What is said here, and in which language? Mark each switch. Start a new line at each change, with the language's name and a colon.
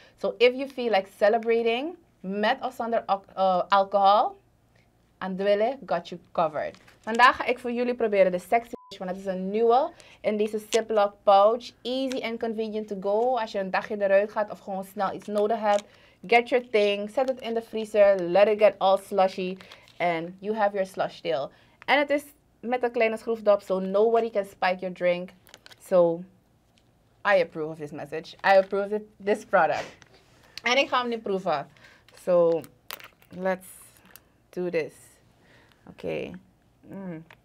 English: So if you feel like celebrating
Dutch: met of zonder alcohol,
English: Andwelle got you covered.
Dutch: Vandaag ga ik voor jullie proberen de sexy, want het is een nieuwe in deze Ziploc pouch.
English: Easy and convenient to go
Dutch: als je een dagje eruit gaat of gewoon snel iets nodig hebt.
English: Get your thing, set it in the freezer, let it get all slushy and you have your slushtail.
Dutch: En het is met een kleine schroefdop,
English: so nobody can spike your drink. So I approve of this message. I approve of this product.
Dutch: En ik ga hem nu proeven.
English: So let's do this.
Dutch: Okay. Mm.